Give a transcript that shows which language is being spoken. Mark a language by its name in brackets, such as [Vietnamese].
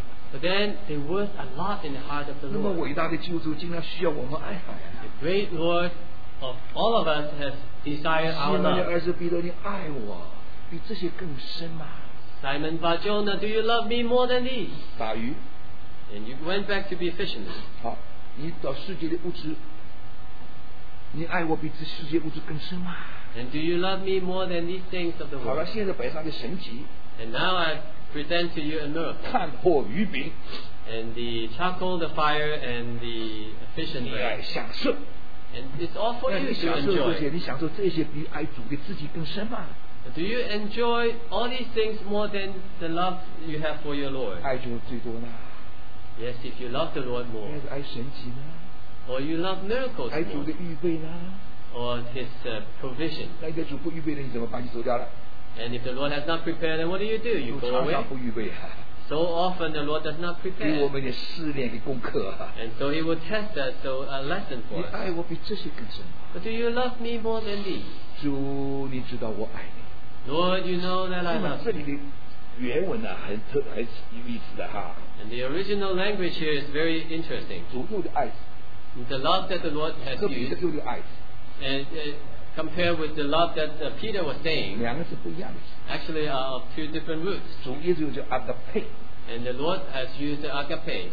[English] But then they worth a lot in the heart of the Lord. The great Lord of all of us has desired our love. [Chinese] 儿子彼得，你爱我比这些更深吗？ [English] Simon Bar-Jonah, do you love me more than these? [Chinese] 打鱼。 [English] And you went back to be fishermen. [Chinese] 好，你找世界的物质，你爱我比这世界物质更深吗？ [English] And do you love me more than these things of the world? [Chinese] 好了，现在摆上的神迹。 [English] And now I present to you a miracle. [Chinese] 炭火鱼饼。 [English] And the charcoal, the fire, and the fish and bread. [Chinese] 你爱享受。 [English] And it's all for you to enjoy. Do you enjoy all these things more than the love you have for your Lord? [Chinese] 爱主最多呢? [English] Yes, if you love the Lord more. [Chinese] 还是爱神迹呢? [English] Or you love miracles more. [Chinese] 爱主的预备呢? [English] Or his provision. [Chinese] 那个主不预备了, 你怎么把你走掉了? [English] And if the Lord has not prepared, then what do? You go away. [Chinese] 常常不预备啊。 [English] So often the Lord does not prepare. [Chinese] 给我们点试炼的功课。 [English] And so he will test us, so a lesson for us. [Chinese] 你爱我比这些更深。 [English] But do you love me more than these? [Chinese] 主，你知道我爱你。 [English] Lord, you know that I love you. [Chinese] 这里的原文呢，很有意思的哈。 [English] And the original language here is very interesting. [Chinese] 主给我的爱。 [English] The love that the Lord has used. [Chinese] 给我的爱。 [English] And compared with the love that Peter was saying, [Chinese] 两个是不一样的。 [English] Actually, are of two different roots. [Chinese] 主耶稣就 agape. [English] And the Lord has used the agape.